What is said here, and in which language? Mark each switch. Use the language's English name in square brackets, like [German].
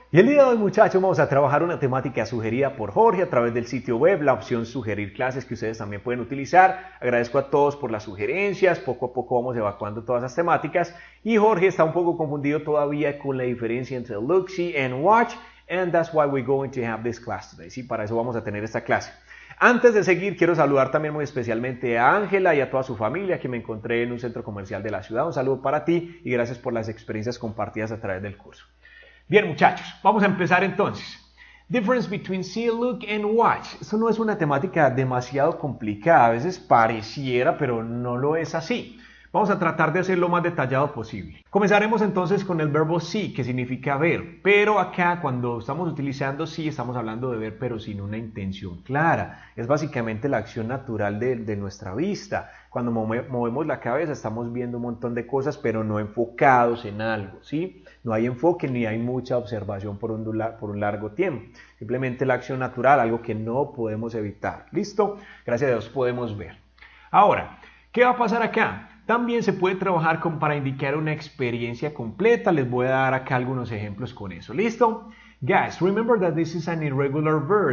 [Spanish] Y el día de hoy, muchachos, vamos a trabajar una temática sugerida por Jorge a través del sitio web, la opción sugerir clases que ustedes también pueden utilizar. Agradezco a todos por las sugerencias. Poco a poco vamos evacuando todas las temáticas. Y Jorge está un poco confundido todavía con la diferencia entre look, see and watch. [English] And that's why we're going to have this class today. [Spanish] Sí, para eso vamos a tener esta clase. Antes de seguir, quiero saludar también muy especialmente a Ángela y a toda su familia que me encontré en un centro comercial de la ciudad. Un saludo para ti y gracias por las experiencias compartidas a través del curso. Bien, muchachos, vamos a empezar entonces. [English] Difference between see, look and watch. [Spanish] Esto no es una temática demasiado complicada. A veces pareciera, pero no lo es así. Vamos a tratar de hacerlo lo más detallado posible. Comenzaremos entonces con el verbo see, que significa ver. Pero acá, cuando estamos utilizando see, estamos hablando de ver, pero sin una intención clara. Es básicamente la acción natural de nuestra vista. Cuando movemos la cabeza, estamos viendo un montón de cosas, pero no enfocados en algo, ¿sí? No hay enfoque ni hay mucha observación por un largo tiempo. Simplemente la acción natural, algo que no podemos evitar. ¿Listo? Gracias a Dios podemos ver. Ahora, ¿qué va a pasar acá? También se puede trabajar con para indicar una experiencia completa. Les voy a dar acá algunos ejemplos con eso. ¿Listo? [English] Guys, remember that this is an irregular verb.